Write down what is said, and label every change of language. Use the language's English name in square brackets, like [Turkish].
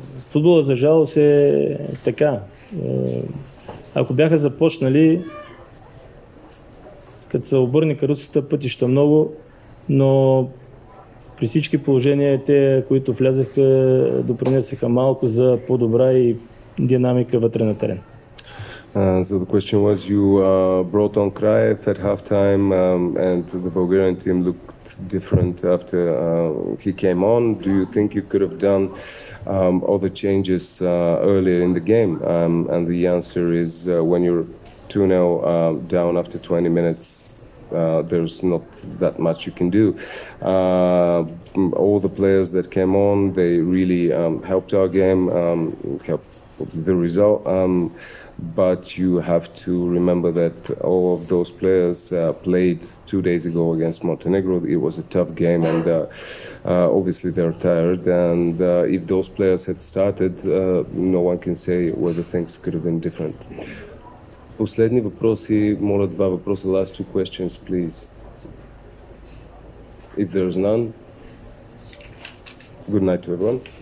[Bulgarian] Футболът, за жалост, е така. Ако бяха започнали, като се обърне каруцата, пътища много, но при всички положения те, които влязаха, допринесаха малко за по-добра и динамика вътре на терен. [English] So the question was, you brought on Krajev at halftime, and the Bulgarian team looked different after he came on. Do you think you could have done other changes earlier in the game? And the answer is, when you're 2-0 down after 20 minutes, there's not that much you can do. All the players that came on, they really helped our game, helped the result. But you have to remember that all of those players played 2 days ago against Montenegro. It was a tough game, and obviously they're tired. And if those players had started, no one can say whether things could have been different. [Bulgarian] Последни въпроси, моля, два въпроса, [English] last two questions, please. If there's none, good night to everyone.